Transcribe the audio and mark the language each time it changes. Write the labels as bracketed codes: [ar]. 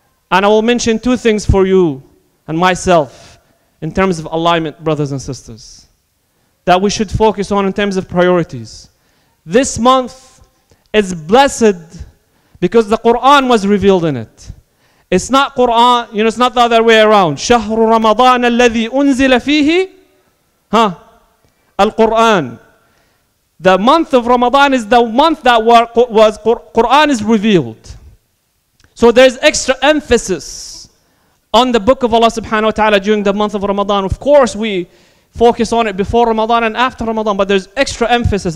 [en] And I will mention two things for you and myself in terms of alignment, brothers and sisters, that we should focus on in terms of priorities. This month is blessed because the Quran was revealed in it. It's not Quran, you know, it's not the other way around. [ar] شهر رمضان الذي أنزل فيه القرآن. [en] The month of Ramadan is the month that was Quran is revealed. So there's extra emphasis on the book of Allah subhanahu wa ta'ala during the month of Ramadan. Of course, we focus on it before Ramadan and after Ramadan, but there's extra emphasis.